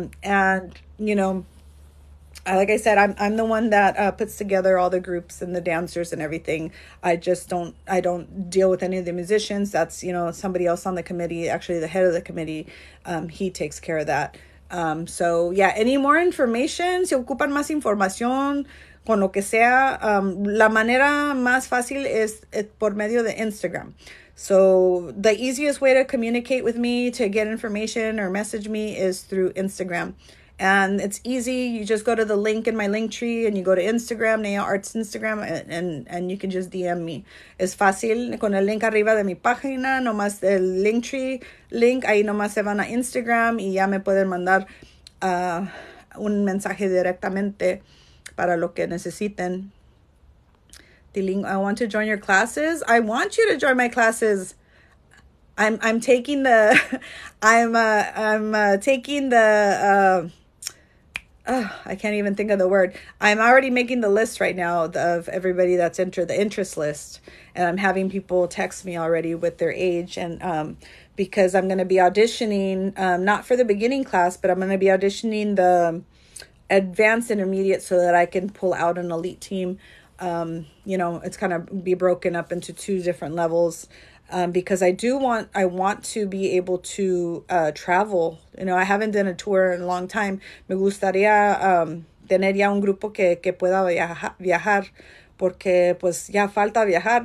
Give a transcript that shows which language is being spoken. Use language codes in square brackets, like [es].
[en] Like I said, I'm the one that puts together all the groups and the dancers and everything. I don't deal with any of the musicians. That's, somebody else on the committee, actually the head of the committee, he takes care of that. Any more information, [es] si ocupan más información con lo que sea, la manera más fácil es por medio de Instagram. [en] So the easiest way to communicate with me to get information or message me is through Instagram. And it's easy. You just go to the link in my link tree and you go to Instagram, Naya Arts Instagram, and you can just DM me. [es] Es fácil con el link arriba de mi página, nomás el link tree link, ahí nomás se van a Instagram y ya me pueden mandar un mensaje directamente para lo que necesiten. [en] I want to join your classes. I want you to join my classes. I'm taking the taking the I can't even think of the word. I'm already making the list right now of everybody that's entered the interest list, and I'm having people text me already with their age and because I'm going to be auditioning not for the beginning class, but I'm going to be auditioning the advanced intermediate so that I can pull out an elite team. It's kind of be broken up into two different levels. Because I want to be able to travel. I haven't done a tour in a long time. [es] Me gustaría tener ya un grupo que pueda viajar, porque pues ya falta viajar.